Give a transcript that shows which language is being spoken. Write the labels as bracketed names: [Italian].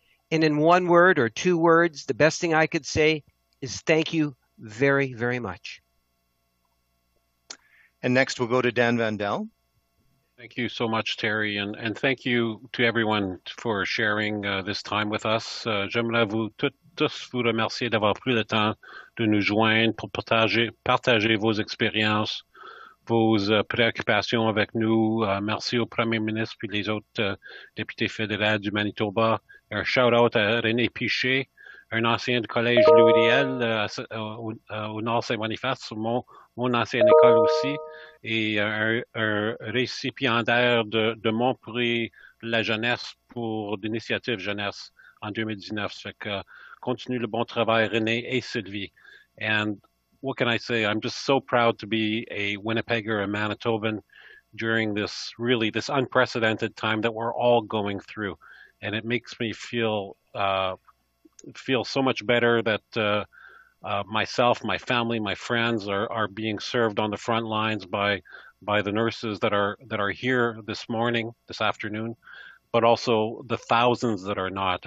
[English] And in one word or two words, the best thing I could say is thank you very, very much. And next we'll go to Dan Vandal. Thank you so much, Terry. And thank you to everyone for sharing this time with us. [French] J'aimerais tous vous remercier d'avoir pris le temps de nous joindre pour partager vos expériences, vos préoccupations avec nous. Merci au Premier ministre et les autres députés fédéraux du Manitoba. Un shout-out à René Piché, un ancien du Collège Louis-Riel au Nord Saint-Boniface, sur mon ancienne école aussi, et un récipiendaire de mon prix La Jeunesse pour l'initiative Jeunesse en 2019. Ça fait que continue le bon travail, René et Sylvie. [English] And what can I say? I'm just so proud to be a Winnipegger, a Manitoban during this unprecedented time that we're all going through. And it makes me feel so much better that myself, my family, my friends are being served on the front lines by the nurses that are here this morning, this afternoon, but also the thousands that are not.